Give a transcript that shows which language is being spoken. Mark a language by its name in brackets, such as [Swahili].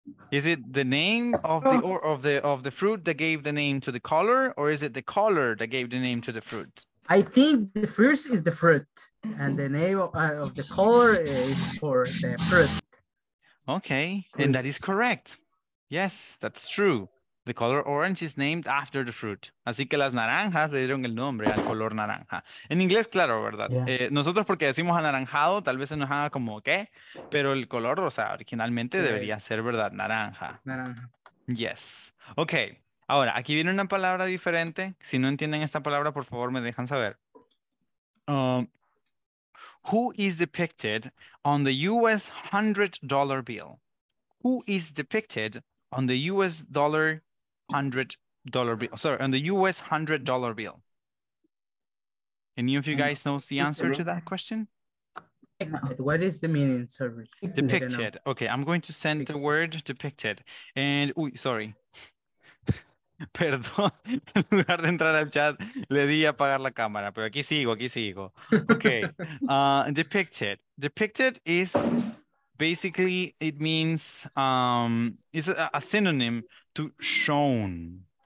[English] Is it the name of the or of the fruit that gave the name to the color, or is it the color that gave the name to the fruit? I think the first is the fruit, and the name of the color is for the fruit. Okay, and that is correct. Yes, that's true. The color orange is named after the fruit. [Spanish] Así que las naranjas le dieron el nombre al color naranja. En inglés, claro, ¿verdad? Yeah. Nosotros porque decimos anaranjado, tal vez se nos haga como, ¿qué? Pero el color, o sea, originalmente debería ser, ¿verdad? Naranja. Naranja. Yes. Okay. Ahora, aquí viene una palabra diferente. Si no entienden esta palabra, por favor, me dejan saber. [English] Who is depicted on the US $100 bill? Who is depicted on the US dollar $100 bill? Sorry, on the US $100 bill. Any of you guys knows the answer to that question? What is the meaning, sorry? Depicted. Okay, I'm going to send the word depicted. And, sorry. [Spanish] Perdón, en lugar de entrar al chat, le di a apagar la cámara, pero aquí sigo. [English] Okay, depicted. Depicted is... Basically, it means, it's a synonym to shown.